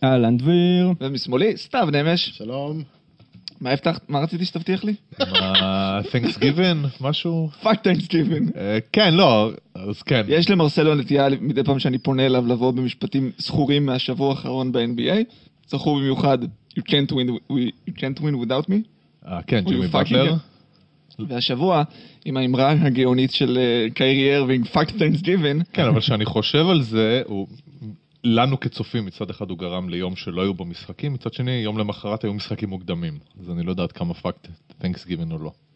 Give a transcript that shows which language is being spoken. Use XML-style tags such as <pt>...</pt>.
<he>אהלן דביר. ומשמאלי, סתיו נמש. שלום. מה הבטחת? מה רציתי שתבטיח לי? Thanksgiving, משהו?</he> <en>Fuck Thanksgiving.</en> <he>כן, לא, אז כן. יש למרסלו נטייה מדי פעם שאני פונה אליו לבוא במשפטים זכורים מהשבוע האחרון ב-NBA. זכור במיוחד,</he> <en>you can't win without me.</en> <he>כן, ג'ימי באטלר. והשבוע, עם האמרה הגאונית של קיירי ארווינג,</he> <en>Fuck Thanksgiving.</en> <he>כן, אבל כשאני חושב על זה, הוא... לנו כצופים, מצד אחד הוא גרם ליום שלא היו בו משחקים, מצד שני, יום למחרת היו משחקים מוקדמים. אז אני לא יודעת כמה פאקט, Thanksgiving או לא.</he>